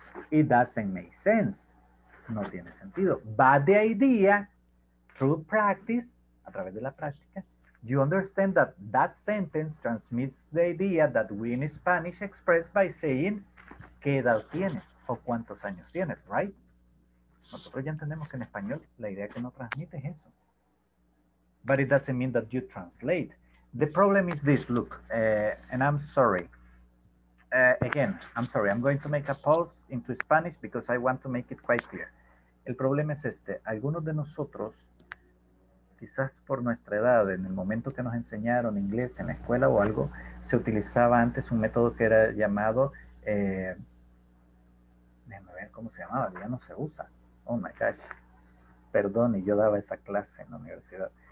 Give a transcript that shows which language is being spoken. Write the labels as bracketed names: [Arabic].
[English] It doesn't make sense. [Spanish] No tiene sentido. [English] But the idea, through practice, [Spanish] a través de la práctica, [English] you understand that that sentence transmits the idea that we in Spanish express by saying, [Spanish] ¿qué edad tienes? ¿O cuántos años tienes? [English] ¿Right? [Spanish] Nosotros ya entendemos que en español la idea que no transmite es eso. [English] But it doesn't mean that you translate. The problem is this, look, and I'm sorry. Again, I'm sorry. I'm going to make a pause into Spanish because I want to make it quite clear. [Spanish] El problema es este. Algunos de nosotros, quizás por nuestra edad, en el momento que nos enseñaron inglés en la escuela o algo, se utilizaba antes un método que era llamado... déjame ver cómo se llamaba, ya no se usa. [English] Oh my gosh, [Spanish] perdón, y yo daba esa clase en la universidad.